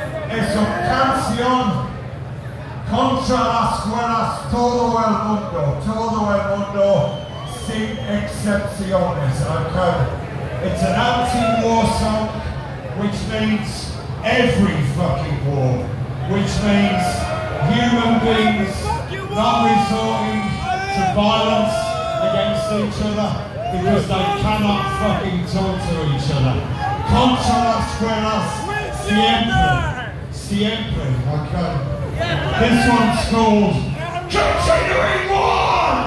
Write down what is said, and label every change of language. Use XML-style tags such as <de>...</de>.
<es>Es una canción contra las guerras todo el mundo, sin excepciones, okay?</es> <en>It's an anti-war song, which means every fucking war, which means human beings not resorting to violence against each other because they cannot fucking talk to each other.</en> <es>Contra las guerras, siempre, siempre, okay.</es> <en>This one's called Continuing War!</en>